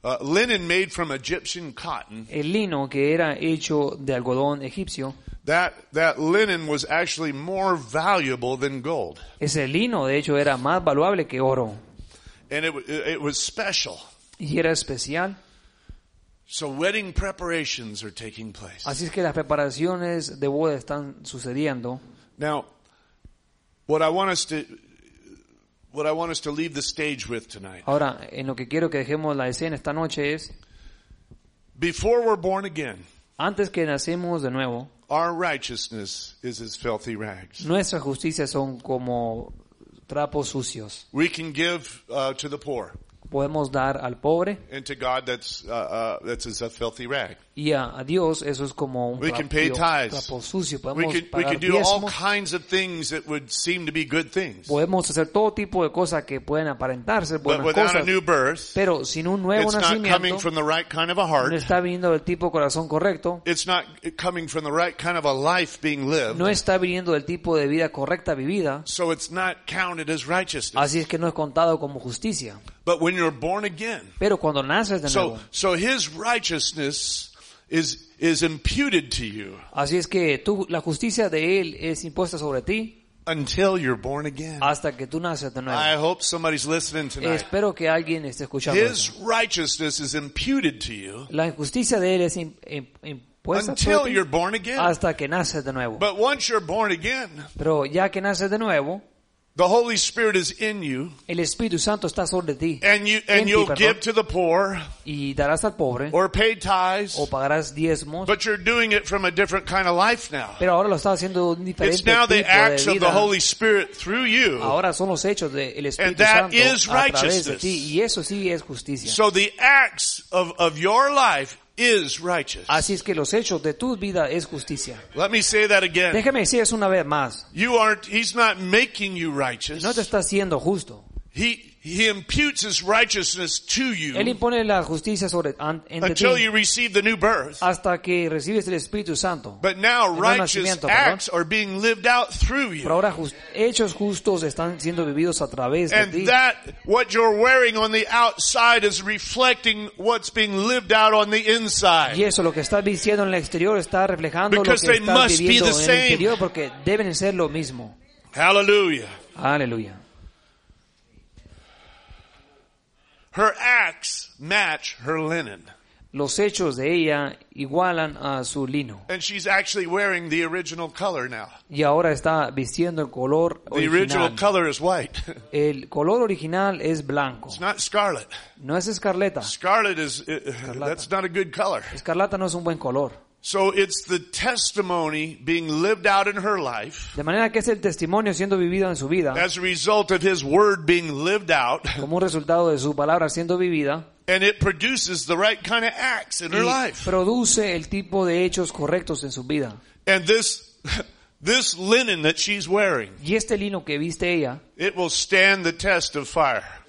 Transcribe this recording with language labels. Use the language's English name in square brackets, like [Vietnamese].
[English] Linen made from Egyptian cotton. [Spanish] El lino que era hecho de algodón egipcio. [English] That linen was actually more valuable than gold. [Spanish] Ese lino, de hecho, era más valuable que oro. [English] And it was special. [Spanish] Y era especial. [English] So wedding preparations are taking place. [Spanish] Así es que las preparaciones de boda están sucediendo. [English] Now, what I want us to leave the stage with tonight. [Spanish] Ahora, en lo que quiero que dejemos la escena esta noche es. [English] Before we're born again. [Spanish] Antes que nacemos de nuevo. [English] Our righteousness is as filthy rags. [Spanish] Nuestra justicia son como trapos sucios. [English] We can give to the poor. [Spanish] Podemos dar al pobre. [English] And to God, that's a filthy rag. [Spanish] Y a Dios eso es como un trapo sucio. [English] We can do [Spanish] diezmos. [English] All kinds of things that would seem to be good things. [Spanish] Podemos hacer todo tipo de cosas que pueden aparentar ser buenas [English] but without [Spanish] cosas. [English] A new birth, [Spanish] pero sin un nuevo [English] it's [Spanish] nacimiento, [English] not coming from the right kind of a heart. [Spanish] No está viniendo del tipo de corazón correcto. [English] It's not coming from the right kind of a life being lived. [Spanish] No está viniendo del tipo de vida correcta vivida. [English] So it's not counted as righteousness. [Spanish] Así es que no es contado como justicia. [English] But when you're born again, [Spanish] pero cuando naces de nuevo, [English] so his righteousness is imputed to you. [Spanish] Así es que tú la justicia de él es impuesta sobre ti. [English] Until you're born again. [Spanish] Hasta que tú naces de nuevo. [English] I hope somebody's listening tonight. [Spanish] Espero que alguien esté escuchando. [English] His righteousness is imputed to you. [Spanish] La injusticia de él es impuesta sobre ti. [English] Until you're born again. [Spanish] Hasta que naces de nuevo. [English] But once you're born again. [Spanish] Pero ya que naces de nuevo. [English] The Holy Spirit is in you. [Spanish] El Espíritu Santo está sobre ti. [English] And you'll give to the poor. [Spanish] Y darás al pobre. [English] Or pay tithes. [Spanish] O pagarás diezmos. [English] But you're doing it from a different kind of life now. [Spanish] Pero ahora lo estás haciendo de un diferente tipo. [English] It's now the acts of the Holy Spirit through you. [Spanish] Ahora son los hechos del Espíritu Santo. [English] And that is righteousness. [Spanish] A través de ti. Y eso sí es justicia. [English] So the acts of your life is righteous. [Spanish] Así es que los hechos de tu vida es justicia. [English] Let me say that again. [Spanish] Déjame decir eso una vez más. [English] He's not making you righteous. [Spanish] No te está haciendo justo. [English] He imputes his righteousness to you. [Spanish] Él impone la justicia sobre [English] until you receive the new birth. [Spanish] Hasta que recibes el Espíritu Santo. [English] But now righteous acts are being lived out through you. [Spanish] Pero ahora hechos justos están siendo vividos a través de ti. [English] And that what you're wearing on the outside is reflecting what's being lived out on the inside. [Spanish] Y eso lo que estás vistiendo en el exterior está reflejando [English] because [Spanish] lo que estás viviendo en el [English] same. [Spanish] Interior porque deben ser lo mismo. [English] Hallelujah. [Spanish] Aleluya. [English] Her acts match her linen. [Spanish] Los hechos de ella igualan a su lino. [English] And she's actually wearing the original color now. [Spanish] Y ahora está vistiendo el color original. [English] The original color is white. [Spanish] El color original es blanco. [English] It's not scarlet. [Spanish] No es escarlata. [English] Scarlet is that's not a good color. [Spanish] Escarlata no es un buen color. [English] So it's the testimony being lived out in her life. [Spanish] De manera que es el testimonio siendo vivido en su vida. [English] As a result of his word being lived out. [Spanish] Como un resultado de su palabra siendo vivida. [English] And it produces the right kind of acts in her life. [Spanish] Produce el tipo de hechos correctos en su vida. [English] And this linen that she's wearing. [Spanish] Y este lino que viste ella. [English] It will stand the test of fire.